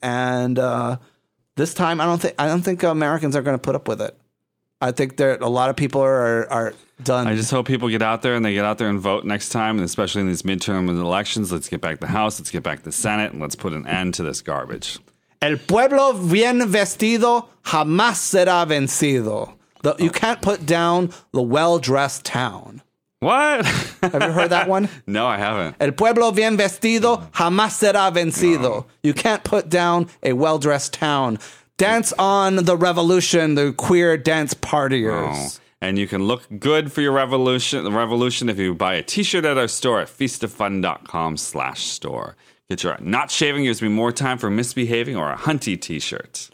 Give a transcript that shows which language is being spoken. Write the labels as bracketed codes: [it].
[en] And this time, I don't think Americans are going to put up with it. I think there a lot of people are done. I just hope people get out there and vote next time, and especially in these midterm elections. Let's get back the House, let's get back the Senate, and let's put an end to this garbage. [es] El pueblo bien vestido jamás será vencido. [en] You can't put down the well-dressed town. What? Have you heard that one? No, I haven't. [es] El pueblo bien vestido jamás será vencido. [en] No. You can't put down a well-dressed town. Dance on the revolution, the queer dance partiers. Oh. And you can look good for your revolution if you buy a t-shirt at our store at feastoffun.com/store. Get your not shaving gives me more time for misbehaving or a hunty t-shirt.